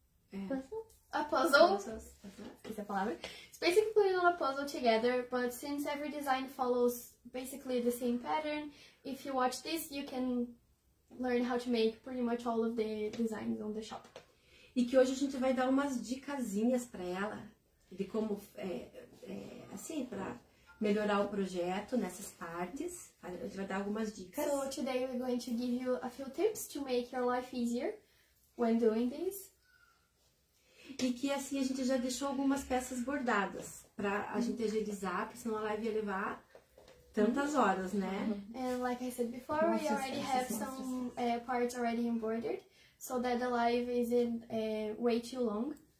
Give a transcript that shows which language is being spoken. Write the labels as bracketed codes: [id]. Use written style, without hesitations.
[en] Puzzle? A puzzle. [pt] Is a palavra. [en] It's basically putting on a puzzle together, but since every design follows basically the same pattern, if you watch this, you can learn how to make pretty much all of the designs on the shop. [pt] E que hoje a gente vai dar umas dicasinhas para ela. De como, assim, para melhorar o projeto nessas partes. A gente vai dar algumas dicas. [en] So, today we're going to give you a few tips to make your life easier when doing this. [pt] E que, assim, a gente já deixou algumas peças bordadas para a gente agilizar, porque senão a live ia levar tantas horas, né? [en] And like I said before, we already have some parts already embroidered, so that the live isn't way too long.